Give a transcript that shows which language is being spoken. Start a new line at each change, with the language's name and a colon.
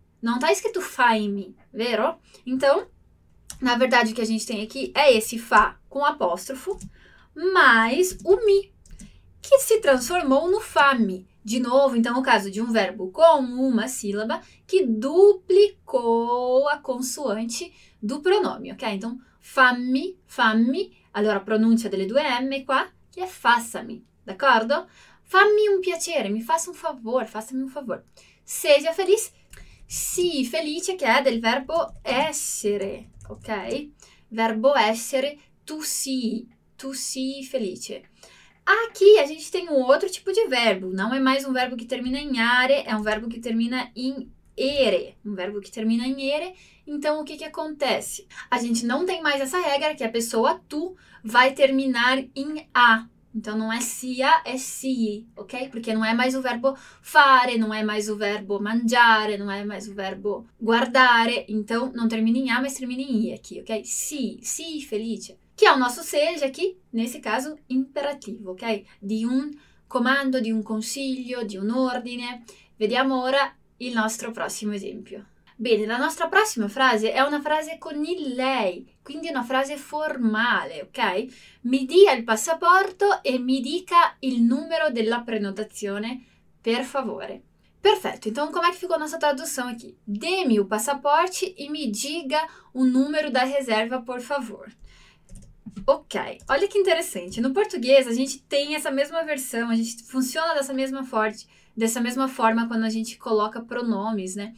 Portuguese: Não tá escrito faimi,
Italian: vero?
Portuguese: Então, na verdade, o que a gente tem aqui é esse fa com apóstrofo, mais o mi, que se transformou no fami. De novo, então, o caso de um verbo com uma sílaba que duplicou a consoante do pronome, ok?
Italian: Então, fammi, fammi, allora pronuncia delle due M qua, che è façami, d'accordo? Fammi un piacere, mi faccia un favore, fassami un favore.
Portuguese: Seja feliz,
Italian: sì, felice, che è del verbo essere, ok? Verbo essere, tu sii felice.
Portuguese: Aqui a gente tem um outro tipo de verbo, não é mais um verbo que termina em are, é um verbo que termina em ere, um verbo que termina em ere. Então, o que que acontece? A gente não tem mais essa regra que a pessoa tu vai terminar em a. Então, não é sia, é sii, ok? Porque não é mais o verbo fare, não é mais o verbo mangiare, não é mais o verbo guardare. Então, não termina em a, mas termina em i aqui, ok?
Italian: Sii, sii, felice.
Portuguese: Que é o nosso seja aqui, nesse caso, imperativo, ok?
Italian: Di un comando, di un consiglio, di un ordine. Vediamo ora il nostro prossimo esempio. Bene, la nostra prossima frase è una frase con il lei, quindi una frase formale, ok? Mi dia il passaporto e mi dica il numero della prenotazione, per favore. Perfetto,
Portuguese: então como é que ficou a nossa tradução aqui? Dê-me o passaporte e me diga o número da reserva, por favor. Ok, olha que interessante. No português, a gente tem essa mesma versão, a gente funciona dessa mesma forma quando a gente coloca pronomes, né?